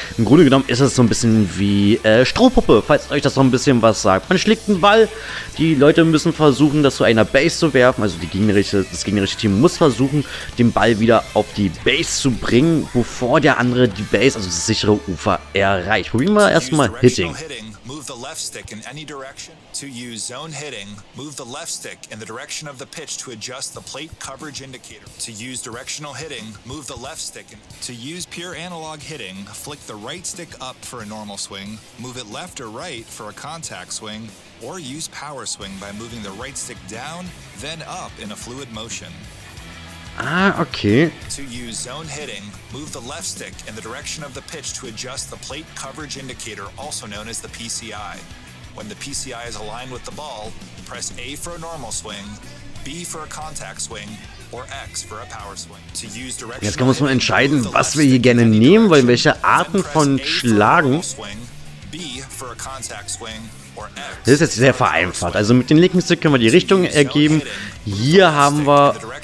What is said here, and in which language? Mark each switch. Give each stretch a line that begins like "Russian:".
German: Im Grunde genommen ist es so ein bisschen wie Strohpuppe, falls euch das noch ein bisschen was sagt. Man schlägt einen Ball, die Leute müssen versuchen, das zu einer Base zu werfen, also das gegnerische Team muss versuchen, den Ball wieder auf die Base zu bringen, bevor der andere die Base, also das sichere Ufer, erreicht. Probieren wir erstmal Hitting.
English: Move the left stick in any direction. To use zone hitting, move the left stick in the direction of the pitch to adjust the plate coverage indicator. To use directional hitting, move the left stick. To use pure analog hitting, flick the right stick up for a normal swing, move it left or right for a contact swing, or use power swing by moving the right stick down, then up in a fluid motion. Ah, okay. To use zone hitting, move the left stick in the direction of the pitch to adjust the plate coverage indicator, also known as the PCI. When the PCI is aligned with the ball, press A for a normal swing, B for a contact swing, or X for a power swing. To use directional hitting,
German: jetzt können wir uns entscheiden, was wir hier gerne nehmen wollen, welche Arten von Schlagen.
English: B for a contact swing.
German: Das ist jetzt sehr vereinfacht. Also mit dem linken Stick können wir die Richtung ergeben. Hier haben wir.